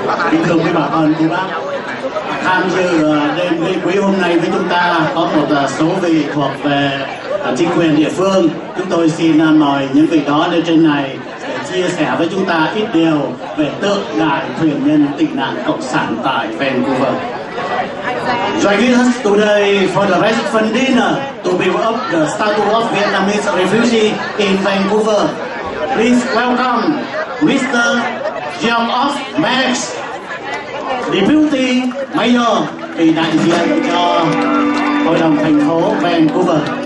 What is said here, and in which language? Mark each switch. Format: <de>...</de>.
<vi>Kính thưa quý bà con, quý bác tham dự đêm vị quý hôm nay với chúng ta có một số vị thuộc về chính quyền địa phương. Chúng tôi xin mời những vị đó lên trên này để chia sẻ với chúng ta ít điều về tượng đài thuyền nhân tị nạn cộng sản tại Vancouver.</vi> <en>Joining us today for the reception dinner to build up the statue of Vietnamese refugee in Vancouver, please welcome Mr.</en> <vi>Jean of Max, Deputy Mayor, thì đại diện cho Hội đồng thành phố Vancouver.</vi>